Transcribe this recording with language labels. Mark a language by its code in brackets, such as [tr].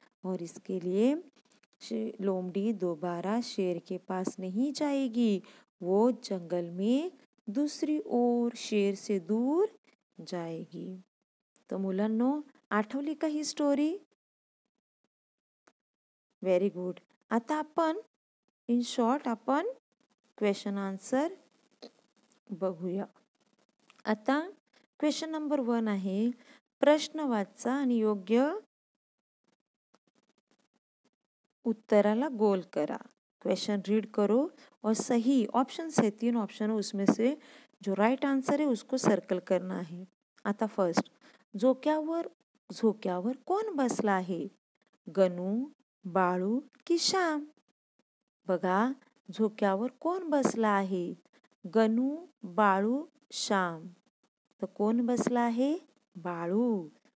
[hi] और इसके लिए लोमड़ी दोबारा शेर के पास नहीं जाएगी, वो जंगल में दूसरी ओर शेर से दूर जाएगी। [mr] तो मुलन्नो, आठवली का ही स्टोरी, [en] Very good. [mr] आता अपन [en] in short [mr] upon question answer बघूया। आता क्वेश्चन नंबर 1 आहे, प्रश्न वाचा आणि योग्य उत्तराला गोल करा। [hi] क्वेश्चन रीड करो और सही ऑप्शन है, 3 ऑप्शन है, उसमें से जो राइट आंसर है उसको सर्कल करना है। [mr] आता फर्स्ट, झोक्यावर कौन बसला आहे? गणू, बाळू की श्याम? बघा, झोक्यावर कोण बसला आहे? गणू, बाळू, श्याम। तर कोण बसला आहे? बाळू।